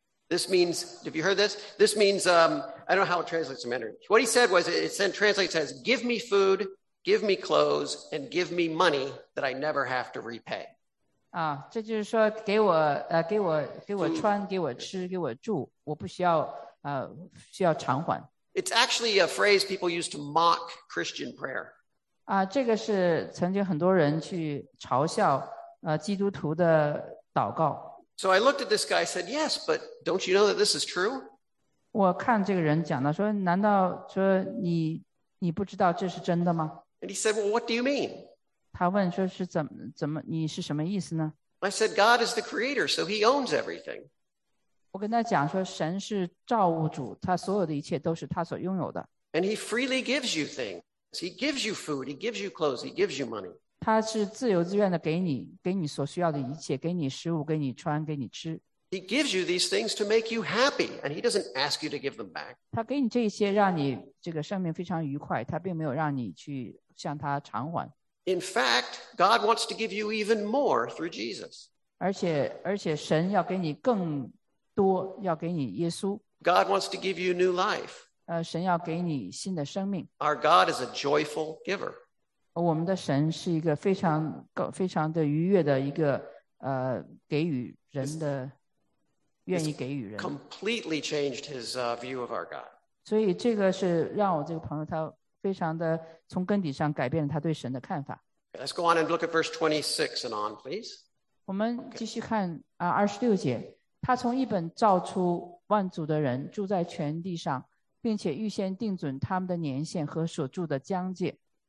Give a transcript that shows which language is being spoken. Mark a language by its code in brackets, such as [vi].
[en] This means, have you heard this? This means, I don't know how it translates to Mandarin. What he said was, it translates as, give me food, give me clothes, and give me money that I never have to repay. [zh] 啊，这就是说给我穿，给我吃，给我住，我不需要需要偿还。 [en] It's actually a phrase people use to mock Christian prayer. [zh] 这个是曾经很多人去嘲笑基督徒的祷告。 [en] So I looked at this guy, said, yes, but don't you know that this is true? [zh] 我看这个人讲的说难道说你不知道这是真的吗？ [en] And he said, well, what do you mean? [zh] 他问说是怎么你是什么意思呢？ [en] I said, God is the creator, so he owns everything. [zh] 我跟他讲说神是造物主，他所有的一切都是他所拥有的。 [en] And he freely gives you things. He gives you food, he gives you clothes, he gives you money. [zh] 他是自由自愿的给你所需要的一切，给你食物，给你穿，给你吃。 [en] He gives you these things to make you happy, and he doesn't ask you to give them back. [zh] 他给你这些让你这个生命非常愉快，他并没有让你去向他偿还。 [en] In fact, God wants to give you even more through Jesus. [zh] 而且神要给你更多，要给你耶稣。 [en] God wants to give you new life. [zh] 神要给你新的生命。 [en] Our God is a joyful giver. [zh] 我们的神是一个非常非常的愉悦的一个给予人的，愿意给予人。 [en] Completely changed his view of our God. [zh] 所以这个是让我这个朋友他非常的从根底上改变了他对神的看法。 [en] Okay, let's go on and look at verse 26 and on, please. [zh] 我们继续看26节，他从一本造出万族的人住在全地上，并且预先定准他们的年限和所住的疆界。